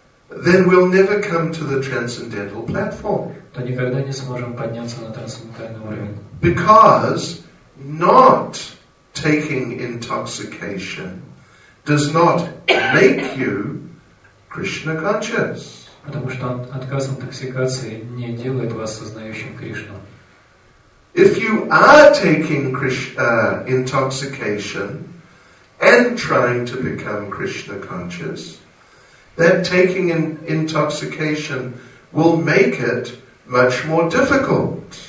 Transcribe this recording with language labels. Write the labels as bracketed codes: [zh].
[en] then we'll never come to the transcendental platform. [ru] То никогда не сможем подняться на трансцендентальный уровень. [en] Because not taking intoxication does not make you Krishna conscious. [ru] Потому что отказ от интоксикации не делает вас сознающим Кришну. [en] If you are taking intoxication and trying to become Krishna conscious, that taking in intoxication will make it much more difficult.